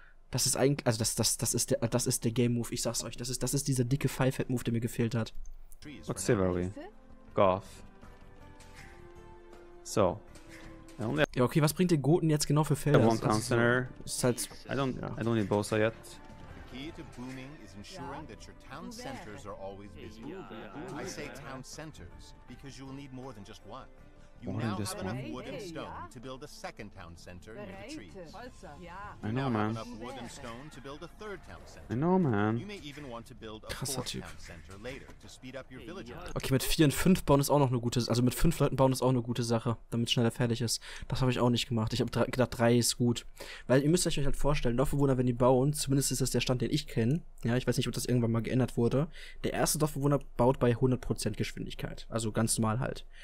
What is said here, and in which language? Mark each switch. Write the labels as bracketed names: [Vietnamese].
[German] Das ist eigentlich, also das ist der Game-Move, ich sag's euch. Das ist dieser dicke Five-Head-Move, der mir gefehlt hat. [English] What's Silvery? Goth. So. [German] Ja, okay, was bringt den Goten jetzt genau für Felder? Also, das ist halt, [English] I don't need Bosa yet. Key to booming is ensuring that your town centers are always busy. I say town centers because you will need more than just one. You now have enough wood and stone to build a second town center near the trees. I know, man. You may even want to build a fourth town center later to speed up your villager. [German] Okay, mit 4 und 5 bauen ist auch noch eine gute, also mit 5 Leuten bauen ist auch eine gute Sache, damit es schneller fertig ist. Das habe ich auch nicht gemacht. Ich habe gedacht, 3 ist gut. Weil ihr müsst euch halt vorstellen, Dorfbewohner, wenn die bauen, zumindest ist das der Stand, den ich kenne. Ja, ich weiß nicht, ob das irgendwann mal geändert wurde. Der erste Dorfbewohner baut bei 100% Geschwindigkeit. Also ganz normal halt.